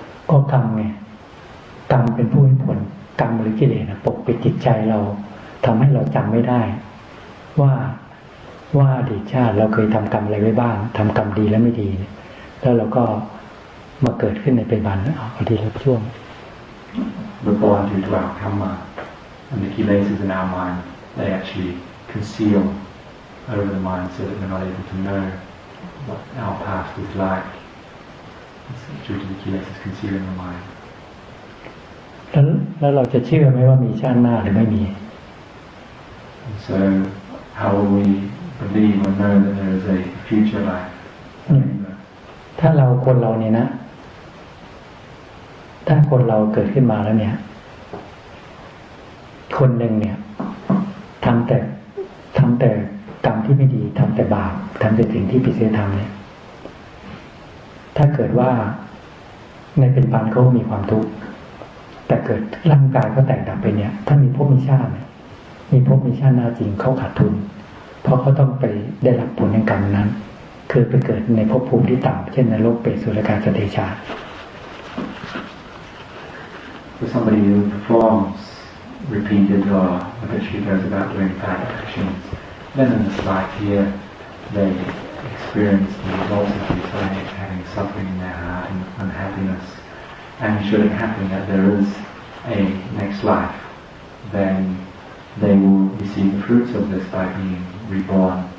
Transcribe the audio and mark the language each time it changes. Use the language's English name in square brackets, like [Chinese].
[Thai] ก็กรรมไงกรรมเป็นผู้ให้ผลกรรมหรือกิเลสนะปกปิดจิตใจเราทำให้เราจำไม่ได้ว่าอดีตชาติเราเคยทำกรรมอะไรไว้บ้างทำกรรมดีและไม่ดีแล้วเราก็มาเกิดขึ้นในปัจจุบันอดีตและช่วง เราปล่อยที่ถูกทำมา [English] and the keys is in our mind they actually conceal over the mind so that we're not able to knowWhat our past is like, due to the keyless is concealing the mind. [Thai] แล้วเราจะเชื่อไหมว่ามีชาติหน้าหรือไม่มี [English] So how will we believe or know that there is a future life? [Thai] ถ้าเราคนเราเนี่ยนะถ้าคนเราเกิดขึ้นมาแล้วเนี่ยคนหนึ่งเนี่ยทำแต่ก รรมที่ไม่ดีทำแต่บาปทำแต่สิ่งที่ผิดศีลธรรมเนี่ยถ้าเกิดว่าในปัจจุบันเขามีความทุกข์แต่เกิดร่างกายเขาแตกดับไปเนี่ยถ้ามีภพมีชาติมีภพมีชาติหน้าจริงเขาขาดทุนเพราะเขาต้องไปได้รับผลแห่งกรรมนั้นคือไปเกิดในภพภูมิที่ต่ำเช่นนรกเปรตสุรกายสัตว์เดรัจฉาน [English] For somebody who performs repeated or habitually goes about doing bad actions, then in this life here they experience the results of these, having suffering in their heart and unhappiness. And should it happen that there is a next life, then they will receive the fruits of this by being reborn.